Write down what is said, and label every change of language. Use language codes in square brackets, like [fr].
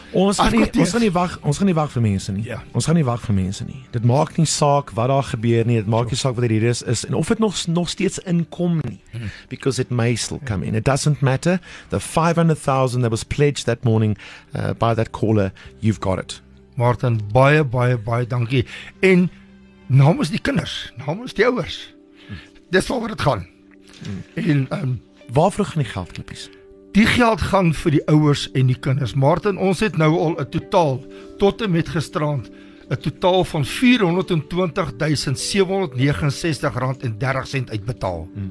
[af] Ons gaan nie wag vir mense nie. Yeah. Ons gaan nie wag vir mense nie. Dit maak nie saak wat daar gebeur nie. Dit maak nie saak wat hier is. En of dit nog steeds inkom nie. [en] because it may still come in. It doesn't matter. The 500,000 that was pledged that morning by that caller, you've got it. [af] Martin, baie, baie, baie dankie. En namens die kinders, namens die ouers, dis waar wat het gaan. En waarvoor gaan die geld klippies? Die geld gaan vir die ouers en die kinders. Martin, ons het nou al 'n totaal, tot en met gisterand, 'n totaal van R420,769.30 uitbetaal.